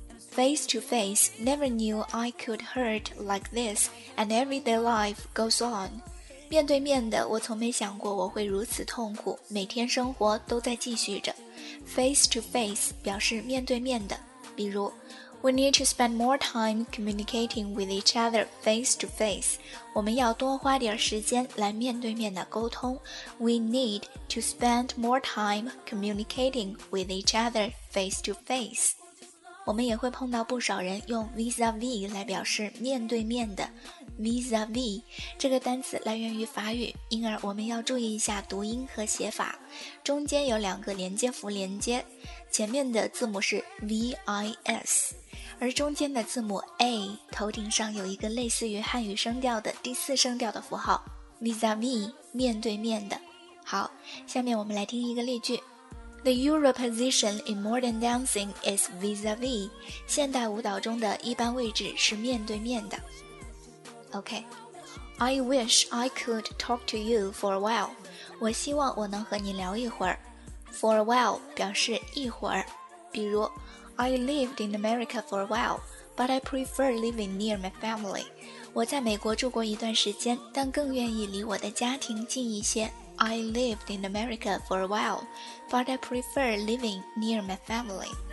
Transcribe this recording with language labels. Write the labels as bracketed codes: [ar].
[en] Face to face, never knew I could hurt like this, and everyday life goes on. [zh] 面对面的，我从没想过我会如此痛苦，每天生活都在继续着。 [en] Face to face [zh] 表示面对面的，比如 [en] We need to spend more time communicating with each other face to face. [zh] 我们要多花点时间来面对面的沟通。 [en] We need to spend more time communicating with each other face to face. [zh] 我们也会碰到不少人用 vis-a-vis 来表示面对面的。 vis-a-vis 这个单词来源于法语，因而我们要注意一下读音和写法。中间有两个连接符连接，前面的字母是 vis， 而中间的字母 a 头顶上有一个类似于汉语声调的第四声调的符号， vis-a-vis 面对面的。好，下面我们来听一个例句。 [en] The Euro position in modern dancing is vis-a-vis. [zh] 现代舞蹈中的一般位置是面对面的。 [en] OK. I wish I could talk to you for a while. [zh] 我希望我能和你聊一会儿。 [en] For a while [zh] 表示一会儿。比如 [en] I lived in America for a while, but I prefer living near my family. [zh] 我在美国住过一段时间，但更愿意离我的家庭近一些。 [en] I lived in America for a while, but I prefer living near my family.